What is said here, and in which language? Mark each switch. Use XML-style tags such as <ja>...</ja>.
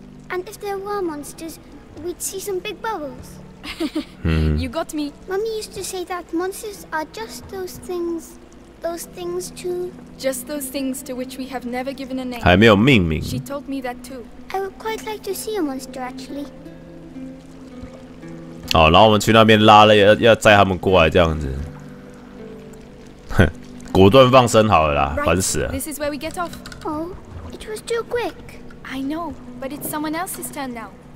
<en>And if there were monsters, we'd see some big bubbles. You got me. Mummy used to say that monsters are just those things. Those things too. Just those things to which we have never given a name.</en> <zh>还没有命名。</zh> <en>She told me that too. I would quite like to see a monster, actually.</en> <zh>好，然后我们去那边拉了，要载他们过来这样子。果断放生好了啦，烦死了。</zh> <en>This is where we get off. Oh, it was too quick. I know, but it's someone else's turn now.</en>